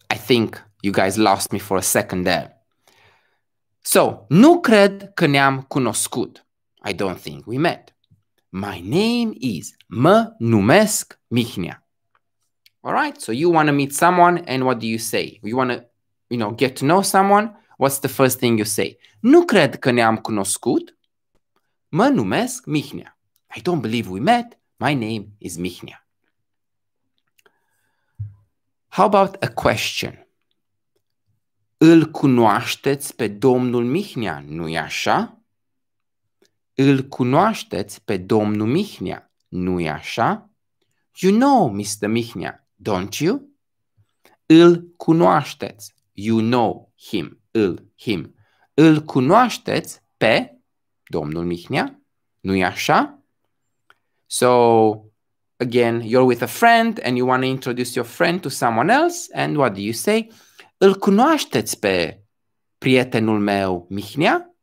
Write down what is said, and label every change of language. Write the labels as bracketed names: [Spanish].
[English] I think you guys lost me for a second there. So, [Romanian] nu cred că ne-am cunoscut. [English] I don't think we met. My name is, [Romanian] mă numesc [English] Mihnea. All right, so you want to meet someone and what do you say? You want to, you know, get to know someone? What's the first thing you say? [Romanian] Nu cred că ne-am cunoscut. Mă numesc [English] Mihnea. I don't believe we met. My name is Mihnea. How about a question? [Romanian] Îl cunoașteți pe domnul Mihnea, nu-i așa? Îl cunoașteți pe domnul Mihnea, nu-i așa? [English] You know Mr. Mihnea, don't you? [Romanian] Îl cunoașteți. [English] You know him. Him. [Romanian] Îl cunoașteți pe domnul Mihnea, nu-i așa? [English] So, again, you're with a friend and you want to introduce your friend to someone else. And what do you say? [Romanian] Îl cunoașteți pe prietenul meu, Mihnea?